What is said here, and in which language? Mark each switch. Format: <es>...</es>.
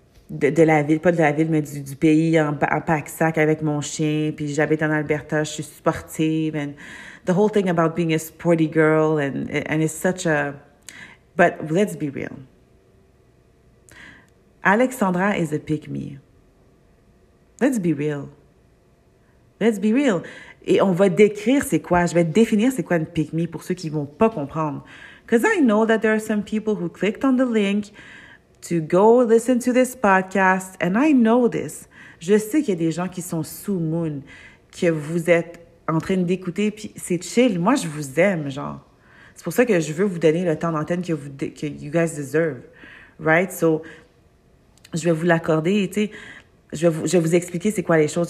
<fr>la ville, pas de la ville, mais du pays en pack-sac avec mon chien, puis j'habite en Alberta, je suis sportive,</fr> <en>and the whole thing about being a sporty girl, and it's such a... But let's be real. Alexandra is a pick-me. Let's be real.</en> <fr>Et on va décrire c'est quoi. Je vais définir c'est quoi une pick-me pour ceux qui vont pas comprendre.</fr> <en>Because I know that there are some people who clicked on the link to go listen to this podcast. And I know this.</en> <fr>Je sais qu'il y a des gens qui sont sous moon, que vous êtes en train d'écouter. Puis c'est chill. Moi, je vous aime, genre. C'est pour ça que je veux vous donner le temps d'antenne que</fr> <en>you guys deserve, right?</en> <fr>So, je vais vous l'accorder, tu sais, je vais vous expliquer c'est quoi les choses.</fr>